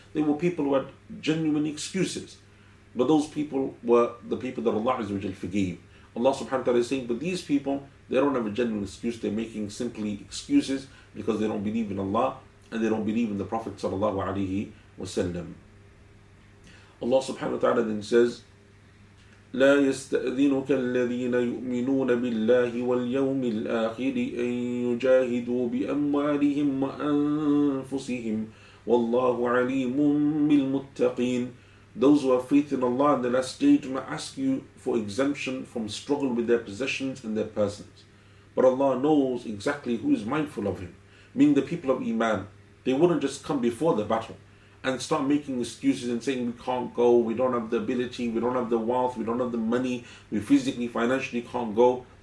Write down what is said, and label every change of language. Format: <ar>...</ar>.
<en>They were people who had genuine excuses. But those people were the people that Allah Azza wa Jalla forgave. Allah subhanahu wa ta'ala is saying, but these people, they don't have a genuine excuse. They're making simply excuses because they don't believe in Allah. And they don't believe in the Prophet sallallahu alaihi wasallam. Allah subhanahu wa ta'ala then says,</en> <ar>لا يستأذنك الذين يؤمنون بالله واليوم الآخر أن يجاهدوا بأموالهم وأنفسهم والله عليم بالمتقين.</ar> <en>Those who have faith in Allah in the last day do not ask you for exemption from struggle with their possessions and their persons. But Allah knows exactly who is mindful of Him, meaning the people of Iman. They wouldn't just come before the battle and start making excuses and saying, we can't go, we don't have the ability, we don't have the wealth, we don't have the money, we physically, financially can't go.</en>